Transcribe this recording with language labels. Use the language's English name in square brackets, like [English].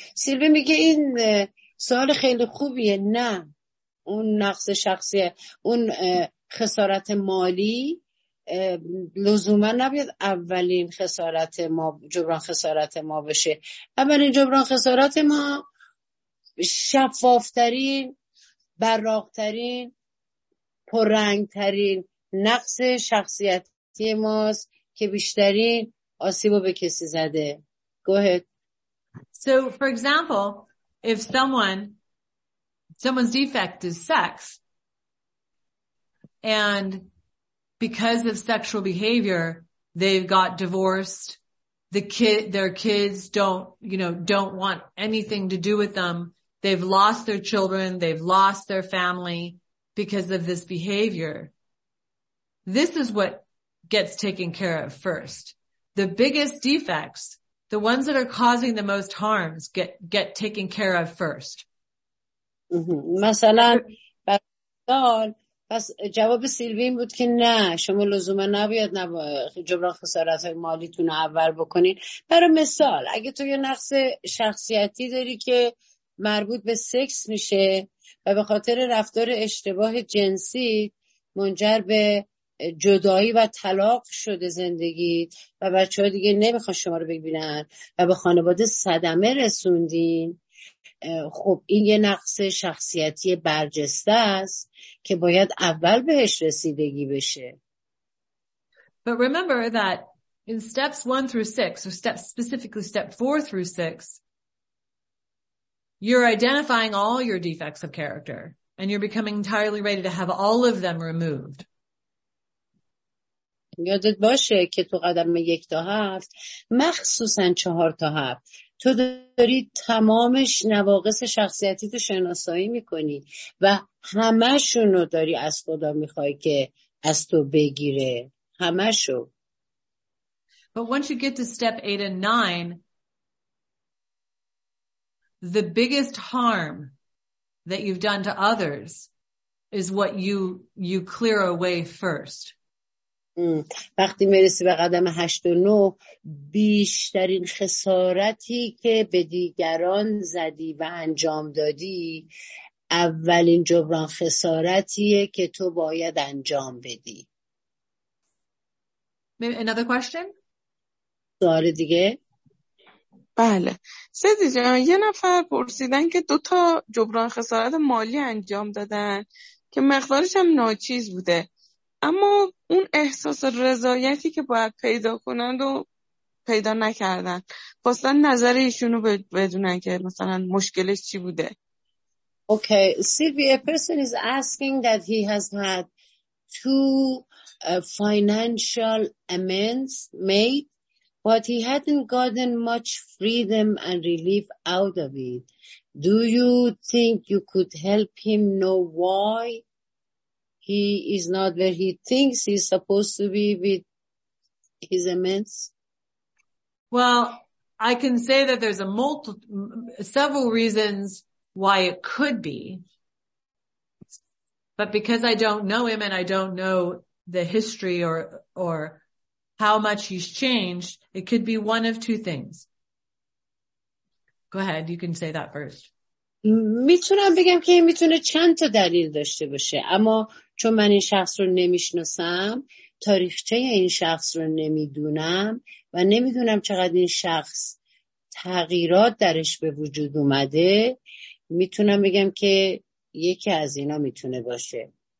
[Persian] سیلوی میگه این سوال خیلی خوبیه. نه، اون نقص شخصی، اون خسارت مالی لزوما نباید اولین خسارت ما، جبران خسارت ما بشه. اولین جبران خسارت ما شفافترین، براق‌ترین، پررنگ‌ترین نقص شخصیتی ماست که بیشترین آسیبو به کسی زده. [English] Go ahead. So for example, if someone's defect is sex, and because of sexual behavior they've got divorced, their kids don't want anything to do with them, they've lost their children, they've lost their family because of this behavior, this is what gets taken care of first. the biggest defects, the ones that are causing the most harms, get taken care of first. [Persian] مثلا مثال پس جواب سیلوی این بود که نه شما لزوما نباید جبران خسارت های مالیتون اول بکنین. برای مثال اگه تو یه نقص شخصیتی داری که مربوط به سکس میشه و به خاطر رفتار اشتباه جنسی منجر به جدایی و طلاق شده زندگی و بچه ها دیگه نمیخوان شما رو ببینن و به خانواده صدمه رسوندین، خب این یه نقص شخصیتی برجسته است که باید اول بهش رسیدگی بشه. [English] But remember that in steps 1 through 6 or steps specifically step 4 through 6 you're identifying all your defects of character and you're becoming entirely ready to have all of them removed. [Persian] یادت باشه که تو قدم 1 تا 7 مخصوصا 4 تا 7 تو داری تمامش نواقص شخصیتی تو شناسایی میکنی و همشونو داری از خدا میخوای که از تو بگیره همشو. [English] But once you get to step 8 and 9 the biggest harm that you've done to others is what you clear away first. [Persian] وقتی میرسی به قدم 8 و 9 بیشترین خسارتی که به دیگران زدی و انجام دادی اولین جبران خسارتیه که تو باید انجام بدی. [English] Another question? [Persian] سوال دیگه؟ بله. سیدی جان یه نفر پرسیدن که دوتا جبران خسارت مالی انجام دادن که مقدارش هم ناچیز بوده اما اون احساس رضایتی که باید پیدا کنند و پیدا نکردن. خواستن نظر ایشونو بدونن که مثلا مشکلش چی بوده. [English] Okay, Sylvie, a person is asking that he has had two financial amends made, but he hadn't gotten much freedom and relief out of it. Do you think you could help him know why? He is not where he thinks he's supposed to be with his amends. Well, I can say that there's several reasons why it could be. But because I don't know him and I don't know the history or how much he's changed, it could be one of two things. Go ahead, you can say that first. [Persian] میتونم بگم که این میتونه چند تا دلیل داشته باشه اما چون من این شخص رو نمیشناسم تاریخچه این شخص رو نمیدونم و نمیدونم چقدر این شخص تغییرات درش به وجود اومده میتونم بگم که یکی از اینا میتونه باشه.